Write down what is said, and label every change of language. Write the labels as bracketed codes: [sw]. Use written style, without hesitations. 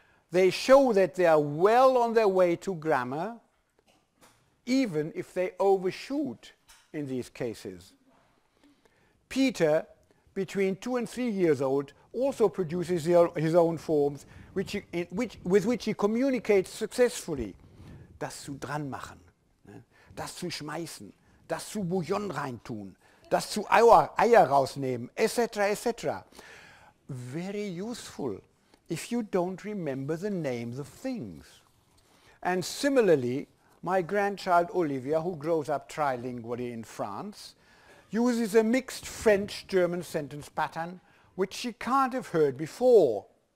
[en] They show that they are well on their way to grammar, even if they overshoot in these cases. Peter, between 2 and 3 years old, also produces his own forms, with which he communicates successfully. [de] Das zu dran machen, das zu schmeißen, das zu Bouillon reintun, das zu Eier rausnehmen, etc., etc. [en] Very useful if you don't remember the names of things. And similarly, my grandchild Olivia, who grows up trilingually in France, uses a mixed French-German sentence pattern which she can't have heard before.